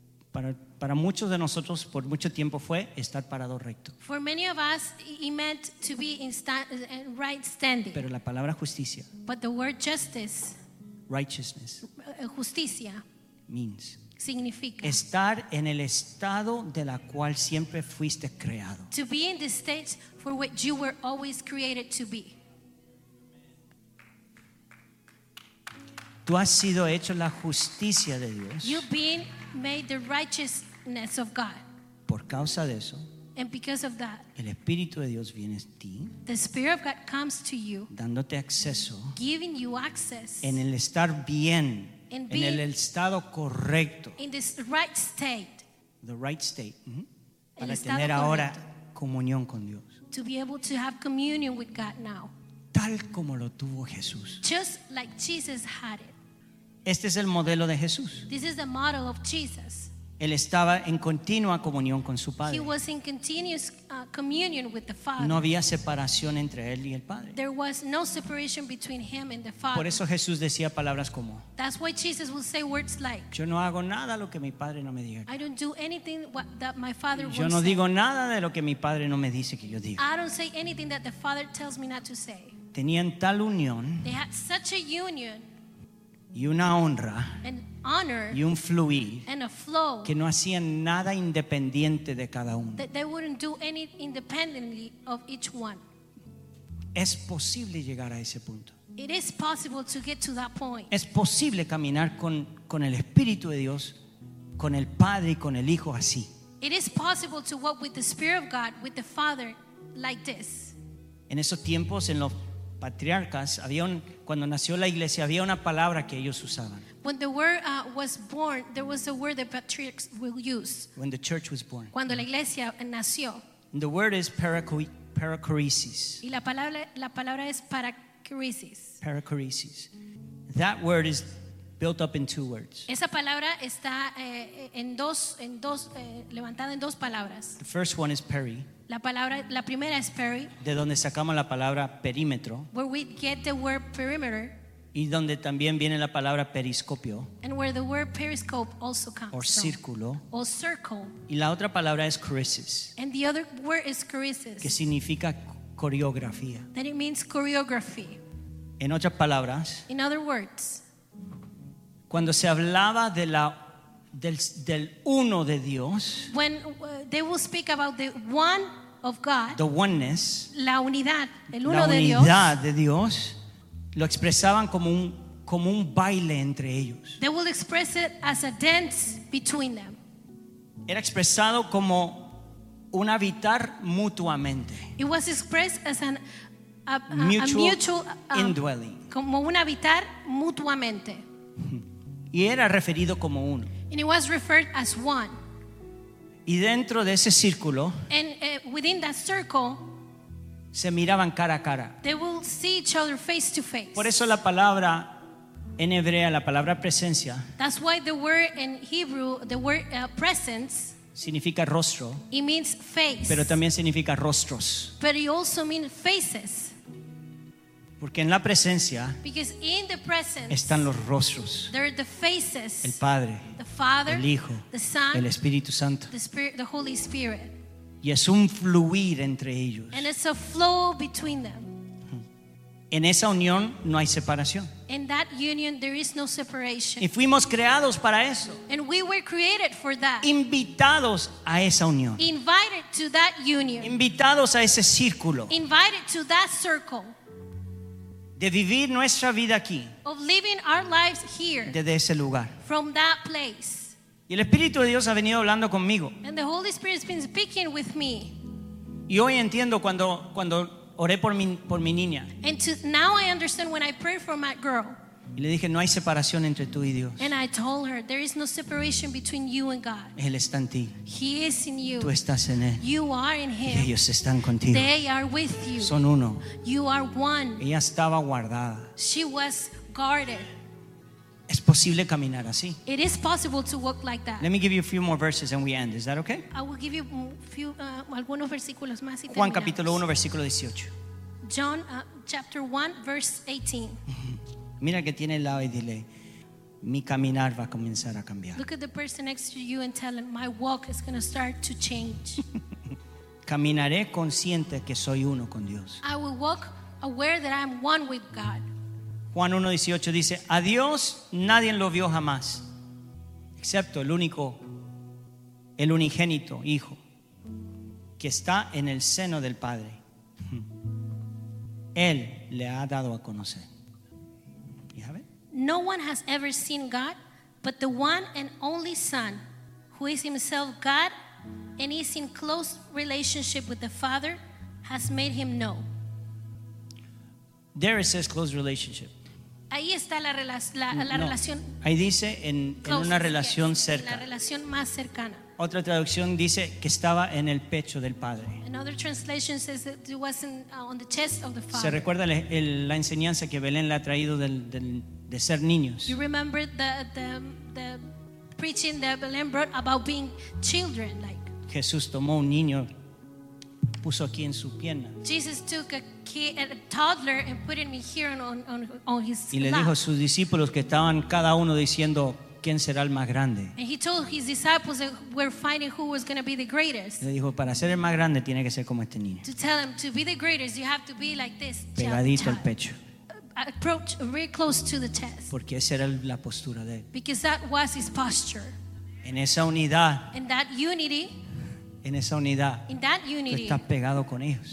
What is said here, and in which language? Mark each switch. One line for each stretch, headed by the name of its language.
Spanish: Para muchos de nosotros por mucho tiempo fue estar parado recto.
English: For many of us it meant to be in right standing.
Spanish: Pero la palabra justicia.
English: But the word justice. Righteousness.
Spanish: Justicia.
English: Means.
Spanish: Significa. Estar en el estado de la cual siempre fuiste creado.
English: To be in the state for which you were always created to be.
Spanish: Tú has sido hecho la justicia de Dios.
English: You've been made the righteousness of God.
Spanish: Por causa de eso,
English: and because of that,
Spanish: el Espíritu de Dios viene a ti,
English: the Spirit of God comes to you,
Spanish: dándote acceso,
English: giving you access,
Spanish: en el estar bien, en el estado correcto,
English: in this right state, the right state,
Spanish: para tener ahora comunión con Dios,
English: to be able to have communion with God now,
Spanish: tal como lo tuvo Jesús,
English: just like Jesus had it.
Spanish: Este es el modelo de Jesús.
English: This is the model of Jesus.
Spanish: Él estaba en continua comunión con su Padre.
English: He was in continuous communion with the Father.
Spanish: No había separación entre él y el Padre.
English: There was no separation between him and the Father.
Spanish: Por eso Jesús decía palabras como,
English: that's why Jesus would say words like,
Spanish: yo no hago nada lo que mi Padre no me diga.
English: I don't do anything that my Father wants.
Spanish: Yo no digo nada de lo que mi Padre no me dice que yo diga.
English: I don't say anything that the Father tells me not to say.
Spanish: Tenían tal unión.
English: They had such a union.
Spanish: Y una honra.
English: And honor,
Spanish: y un fluir,
English: and a flow,
Spanish: que no hacían nada independiente de cada uno.
English: That they wouldn't do any independently of each one.
Spanish: Es posible llegar a ese punto.
English: It is possible to get to that point.
Spanish: Es posible caminar con el Espíritu de Dios, con el Padre y con el Hijo así.
English: It is possible to walk with the Spirit of God, with the Father, like this.
Spanish: En esos tiempos, en los patriarcas, había un, cuando nació la iglesia, había una palabra que ellos usaban.
English: When the word was born, there was a word that patriarchs will use. When the church was born.
Spanish: Cuando la iglesia nació.
English: And the word is parakoresis.
Spanish: Y la palabra es parakoresis. Parakoresis.
English: That word is built up in two words.
Spanish: Esa palabra está en dos levantada en dos palabras.
English: The first one is peri.
Spanish: La primera es peri. De donde sacamos la palabra perímetro.
English: Where we get the word perimeter.
Spanish: Y donde también viene la palabra periscopio.
English: And where the word periscope also comes from.
Spanish: O círculo.
English: Or circle.
Spanish: Y la otra palabra es choresis.
English: And the other word is choresis.
Spanish: Que significa coreografía.
English: That it means choreography.
Spanish: En otras palabras.
English: In other words.
Spanish: Cuando se hablaba de la del uno de Dios,
English: when they will speak about the one of God, the oneness,
Spanish: la unidad, el uno, la unidad de Dios, lo expresaban como un baile entre ellos.
English: They will express it as a dance between them.
Spanish: Era expresado como un habitar mutuamente.
English: It was expressed as a mutual indwelling.
Spanish: Como un habitar mutuamente. Y era referido como uno.
English: And it was referred as one.
Spanish: Y dentro de ese círculo,
English: and within that circle,
Spanish: se miraban cara a cara.
English: They will see each other face to face.
Spanish: Por eso la palabra en hebrea, la palabra presencia,
English: that's why the word in Hebrew, the word presence,
Spanish: significa rostro.
English: It means face.
Spanish: Pero también significa rostros.
English: But it also means faces.
Spanish: Porque en la presencia,
English: because in the presence,
Spanish: están los rostros,
English: there are the faces,
Spanish: el Padre,
English: the Father,
Spanish: el Hijo,
English: the Son,
Spanish: el Espíritu Santo,
English: the Spirit, the Holy Spirit.
Spanish: Y es un fluir entre ellos,
English: and it's a flow between them.
Spanish: En esa unión no hay separación.
English: In that union, there is no separation.
Spanish: Y fuimos creados para eso.
English: And we were created for that.
Spanish: Invitados a esa unión.
English: Invited to that union.
Spanish: Invitados a ese círculo.
English: Invited to that circle.
Spanish: De vivir nuestra vida aquí.
English: Of living our lives here.
Spanish: Desde ese lugar.
English: From that place.
Spanish: Y el Espíritu de Dios ha venido hablando conmigo.
English: And the Holy Spirit has been speaking with me.
Spanish: Y hoy entiendo cuando oré por mi niña.
English: And now I understand when I prayed for my girl.
Spanish: Y le dije, no hay separación entre tú y Dios.
English: And I told her, there is no separation between you and God.
Spanish: Él está en ti.
English: He is in you.
Spanish: Tú estás en él.
English: You are in him.
Spanish: Y ellos están contigo.
English: They are with you.
Spanish: Son uno.
English: You are one.
Spanish: Ella estaba guardada.
English: She was guarded.
Spanish: Es posible caminar así.
English: It is possible to walk like that. Let me give you a few more verses and we end. Is that okay? I will give you
Spanish: algunos versículos más y terminamos. Juan capítulo 1, versículo 18.
English: John chapter 1, verse 18.
Spanish: Mira que tiene al lado y dile, mi caminar va a comenzar a cambiar.
English: Look at the person next to you and tell him, my walk is going to start to change.
Spanish: Caminaré consciente que soy uno con Dios.
English: I will walk aware that I am one with God.
Spanish: Juan 1:18 dice, a Dios nadie lo vio jamás, excepto el único, el unigénito Hijo, que está en el seno del Padre. Él le ha dado a conocer.
English: No one has ever seen God, but the one and only Son, who is himself God and is in close relationship with the Father has made him know. There it says close relationship.
Spanish: Ahí está la relación. Ahí dice en una relación cerca. En la relación más cercana. Otra traducción dice que estaba en el pecho del Padre.
English: Another translation says that it was on the chest of the Father.
Spanish: ¿Se recuerda la enseñanza que Belén le ha traído de ser niños?
English: You remember the preaching that Belén brought about being children, like.
Spanish: Jesús tomó un niño, puso aquí en su pierna.
English: Jesus took a toddler and put him here on his lap.
Spanish: Y le dijo a sus discípulos que estaban cada uno diciendo quién será el más grande.
English: And he told his disciples that we're finding who was going to be the greatest.
Spanish: Le dijo para ser el más grande tiene que ser como este niño.
English: To tell him to be the greatest, you have to be like this.
Spanish: Pegadito al pecho.
English: Approach very close to the chest.
Spanish: Porque esa era la postura de él.
English: Because that was his posture.
Spanish: En esa unidad.
English: In that unity.
Spanish: En esa unidad.
English: In that unity.
Spanish: Estás pegado con ellos.